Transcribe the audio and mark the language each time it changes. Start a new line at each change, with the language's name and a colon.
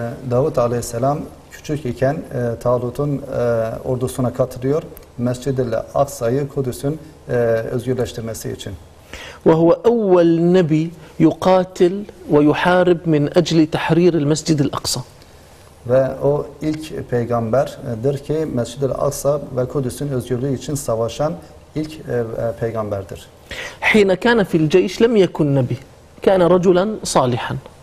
Turkish: داود عليه السلام küçükken Talut'un ordusuna katılıyor Mescid-i Aksa'yı Kudüs'ün özgürleştirmesi için.
Arabic: وهو أول نبي يقاتل ويحارب من أجل تحرير المسجد الأقصى.
Turkish: Ve o ilk peygamberdir ki Mescid-i Aksa ve Kudüs'ün özgürlüğü için savaşan ilk peygamberdir.
Arabic: حين كان في الجيش لم يكن نبي كان رجلا صالحا.